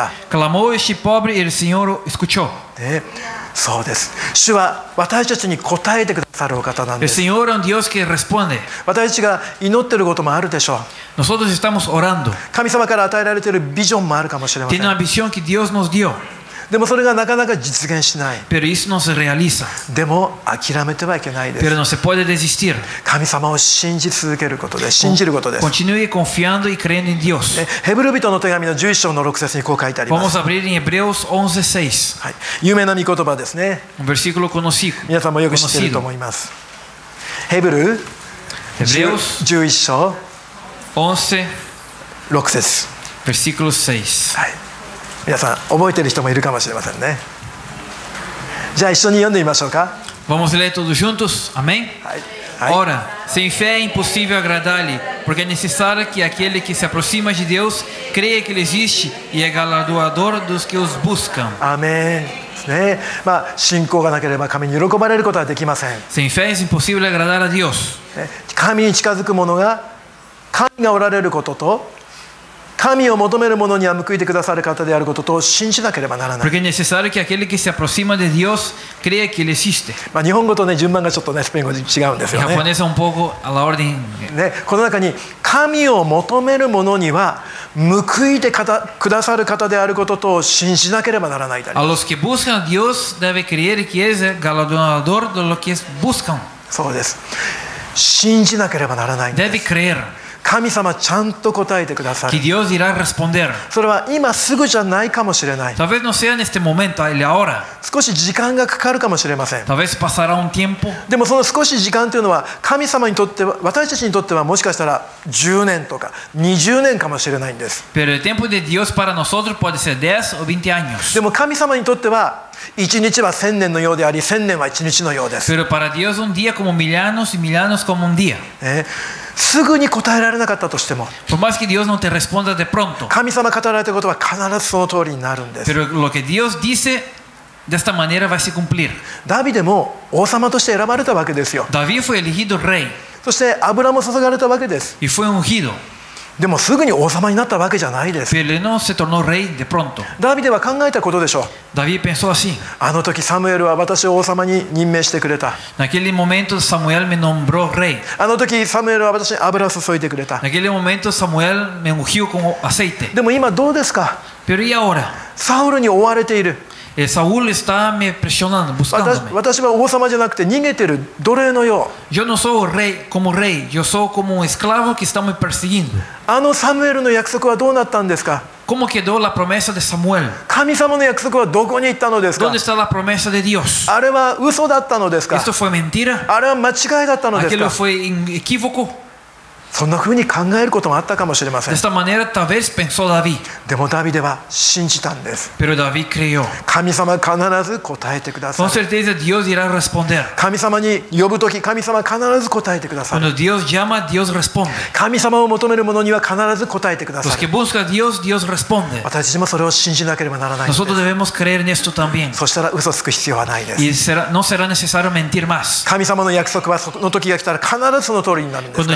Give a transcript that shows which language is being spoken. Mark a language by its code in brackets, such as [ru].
[pt] Clamou este pobre e o Senhor escutou. [ja] そうです。主は私たちに答えてくださるお方なんです。 [es] Señor es Dios que responde。 [ja] 私たちが祈っていることもあるでしょう。 [es] Nosotros estamos orando。 [ja] 神様から与えられているビジョンもあるかもしれません。 [es] Tiene una visión que Dios nos dio。 [ja] でもそれがなかなか実現しない。 [es] Pero eso no se realiza。 [ja] でも諦めてはいけないです。 [es] Pero no se puede desistir。 [ja] 神様を信じ続けることです。信じることです。 [es] Continúe confiando y creyendo en Dios。 [ja] ヘブル人の手紙の11章の6節にこう書いてあります。 [es] Vamos a abrir en Hebreos 11:6。 [ja] はい。有名な御言葉ですね。 [es] Un versículo conocido。 [ja] 皆さんもよく知っていると思います。ヘブル。 [es] Hebreos [ja] 11章。 11。 6節。 [es] Versículo 6。 [ja] はい。皆さん覚えてる人もいるかもしれませんね。じゃあ一緒に読んでみましょうか。 [pt] Vamos ler todos juntos? Amém? Ora, sem fé é impossível agradar-lhe, porque é necessário que aquele que se aproxima de Deus creia que ele existe e é galardoador dos que os buscam. Amém. [ja] ね、まあ信仰がなければ神に喜ばれることはできません。 [pt] Sem fé é impossível agradar a Deus. [ja] 神に近づく者が神がおられることと神を求める者には報いてくださる方であることと信じなければならない。 [es] Porque es necesario que aquel que se aproxima de Dios crea que él existe。 [ja] まあ日本語とね順番がちょっとねスペイン語で違うんですよね。 [es] Japonés un poco a la orden。 [ja] ね、この中に神を求める者には報いてくださる方であることと信じなければならない。 [es] A los que buscan a Dios debe creer que es galardonador de lo que buscan。 [ja] そうです。信じなければならないんです。 [es] Debe creer。 [ja] 神様ちゃんと答えてください。 [es] Que Dios irá responder. [ja] それは今すぐじゃないかもしれない。 [es] Tal vez no sea en este momento, él ahora. [ja] 少し時間がかかるかもしれません。 [es] Tal vez pasará un tiempo. [ja] でもその少し時間というのは神様にとっては私たちにとってはもしかしたら10年とか20年かもしれないんです。 [es] Pero el tiempo de Dios para nosotros puede ser 10 o 20 años. [ja] でも神様にとっては一日は千年のようであり、千年は一日のようです。 [es] Pero para Dios un día como mil años y mil años como un día. [ja] すぐに答えられなかったとしても、 [es] Por más que Dios no te responda de pronto, [ja] 神様語られたことは必ずその通りになるんです。 [es] Pero lo que Dios dice de esta manera va a cumplir. [ja] ダビデも王様として選ばれたわけですよ。 [es] David fue elegido rey. [ja] そして油も注がれたわけです。 [es] Y fue ungido. [ja] でもすぐに王様になったわけじゃないです。 [es] Pero no se tornó rey de pronto. [ja] ダビデは考えたことでしょう。 [es] David pensó así. [ja] あの時サムエルは私を王様に任命してくれた。 [es] En aquel momento Samuel me nombró rey. [ja] あの時サムエルは私に油を注いでくれた。 [es] En aquel momento Samuel me ungió con aceite. [ja] でも今どうですか？ [es] Pero ¿y ahora? [ja] サウルに追われている。 [es] Saúl está me presionando, buscándome. [ja] 私は王様じゃなくて逃げてる奴隷のよう。 [es] Yo no soy rey como rey, yo soy como un esclavo que está me persiguiendo. [ja] あのサムエルの約束はどうなったんですか？ [es] ¿Cómo quedó la promesa de Samuel? [ja] 神様の約束はどこに行ったのですか？ [es] ¿Dónde está la promesa de Dios? [ja] あれは嘘だったのですか？ [es] ¿Esto fue mentira? [ja] あれは間違いだったのですか？ [es] ¿Aquello fue un equívoco? [ja] そんな風に考えることもあったかもしれません。 [es] De esta manera, tal vez pensó David. [ja] でもダビデは信じたんです。 [es] Pero David creyó. [ja] 神様必ず答えてください。 [es] Con certeza Dios irá responder. [ja] 神様に呼ぶとき、神様必ず答えてください。 [es] Cuando Dios llama, Dios responde. [ja] 神様を求める者には必ず答えてください。 [es] Los que buscan a Dios, Dios responde. [ja] 私たちもそれを信じなければならないんです。 [es] Nosotros debemos creer en esto también. [ja] そしたら嘘つく必要はないです。 [es] Y será, no será necesario mentir más. [ja] 神様の約束はその時が来たら必ずその通りになるんですから。